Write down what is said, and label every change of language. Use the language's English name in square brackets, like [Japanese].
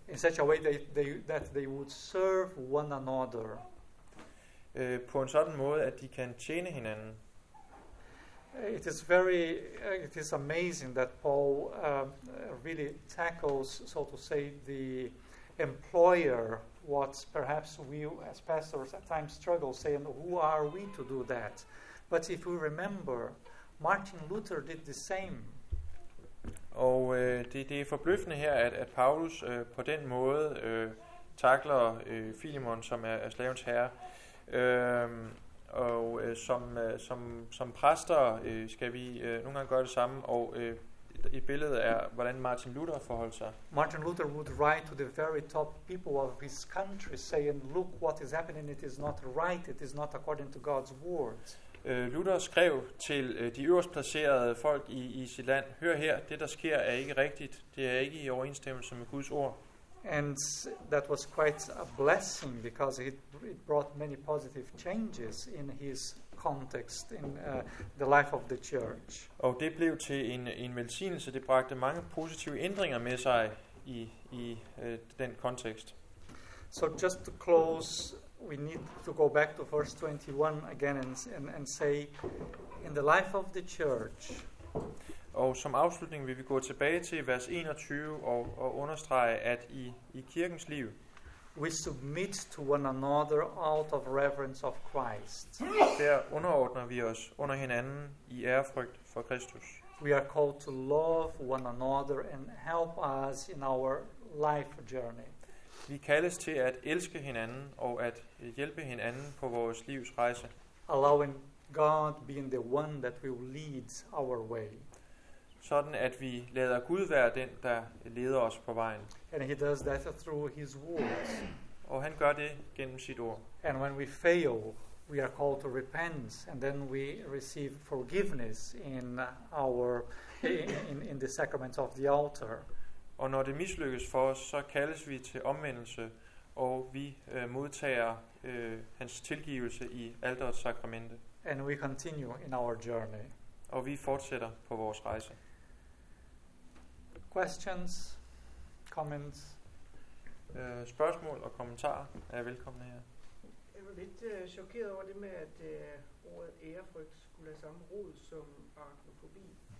[English] In such a way that they would serve one another. [Danish] På en sådan måde, at de kan tjene hinanden. [English] It is amazing that Paul really tackles, so to say, the employer, what perhaps we as pastors at times struggle, saying, who are we to do that? But if we remember, Martin Luther did the same. [Danish] Og det er forbløffende her, at Paulus på den måde takler Filemon, som er slavens herre. Og som præster skal vi nogle gange gøre det samme, og i billedet er, hvordan Martin Luther forholdt sig. [English] Martin Luther would write to the very top people of his country saying, look what is happening, it is not right, it is not according to God's word. [Danish] Luther skrev til de øverst placerede folk i sit land, hør her, det der sker er ikke rigtigt, det er ikke i overensstemmelse med Guds ord. [English] And that was quite a blessing because it brought many positive changes in his context in the life of the church. [Danish] Og det blev til en velsignelse, det bragte mange positive ændringer med sig i den kontekst. [English] So just to close, we need to go back to verse 21 again and say, in the life of the church. [Danish] Og som afslutning vil vi gå tilbage til vers 21 og understrege, at i kirkens liv, [English] we submit to one another out of reverence of Christ. [Danish] Der underordner vi os under hinanden i ærefrygt for Kristus. [English] We are called to love one another and help us in our life journey. [Danish] Vi kaldes til at elske hinanden og at hjælpe hinanden på vores livs rejse. [English] Allowing God being the one that will lead our way. [Danish] Sådan at vi lader Gud være den, der leder os på vejen. [English] And he does that through his words. [Danish] Og han gør det gennem sit ord. [English] And when we fail, we are called to repent, and then we receive forgiveness in our in the sacrament of the altar. [Danish] Og når det mislykkes for os, så kaldes vi til omvendelse, og vi modtager hans tilgivelse i alterets sakramente. [English] And we continue in our journey. [Danish] Og vi fortsætter på vores rejse. [English] Questions, comments. [Danish] Spørgsmål og kommentarer er velkomne her. Jeg var lidt chokeret over det med, at ordet ærefrygt skulle have samme rod som arachnofobi.